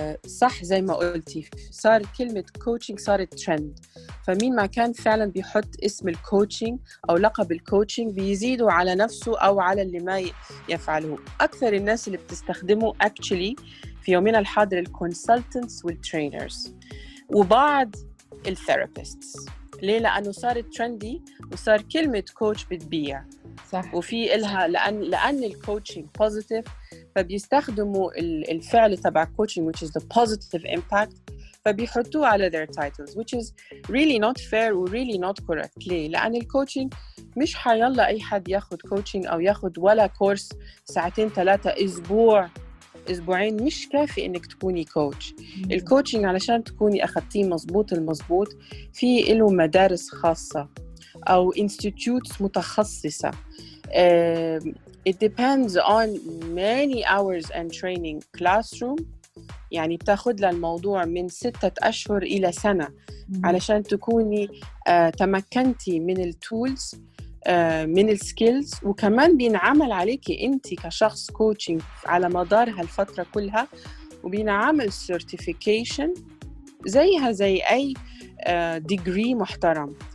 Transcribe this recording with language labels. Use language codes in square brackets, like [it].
[ar] صح زي ما قلتي, صار كلمة coaching صارت trend, فمين ما كان فعلاً بيحط اسم الكوتشنج أو لقب الكوتشنج بيزيده على نفسه أو على اللي ما يفعله. أكثر الناس اللي بتستخدمه actually في يومنا الحاضر الconsultants والtrainers وبعض الtherapists. ليه؟ لأنه صارت trendy وصار كلمة coach بتبيع. صح. وفي إلها لأن الكوتشينج [en] positive [ar] فبيستخدموا الفعل تبع [en] coaching which is the positive impact [ar] فبيحطوه على [en] their titles which is really not fair و really not correct. [ar] ليه؟ لأن الكوتشينج مش حيلا أي حد ياخد coaching أو ياخد ولا كورس ساعتين ثلاثة أسبوع أسبوعين مش كافي إنك تكوني كوتش. الكوتشينج علشان تكوني أخذتيه مظبوط المظبوط في له مدارس خاصة أو institutes متخصصة. [en] It depends on many hours and training classroom. [ar] يعني بتاخد للموضوع من 6 أشهر إلى سنة علشان تكوني تمكنتي من التولز من السكيلز، وكمان بينعمل عليكي أنت كشخص كوتشينج على مدار هالفترة كلها، وبينعمل سيرتيفيكيشن زيها زي أي ديجري محترم.